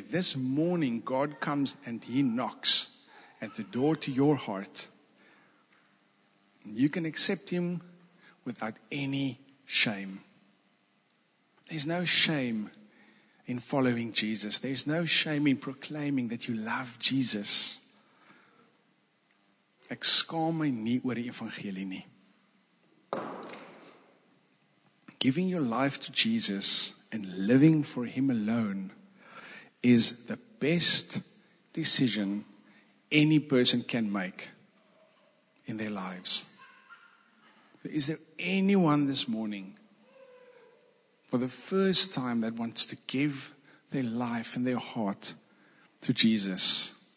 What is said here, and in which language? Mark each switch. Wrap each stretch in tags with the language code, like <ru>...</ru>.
<en>This morning, God comes and he knocks at the door to your heart. You can accept him without any shame. There's no shame in following Jesus. There's no shame in proclaiming that you love Jesus.</en> <af>Ek skaam my nie oor die evangelie nie.</af> <en>Giving your life to Jesus and living for him alone is the best decision any person can make in their lives. But is there anyone this morning, for the first time, that wants to give their life and their heart to Jesus?</en>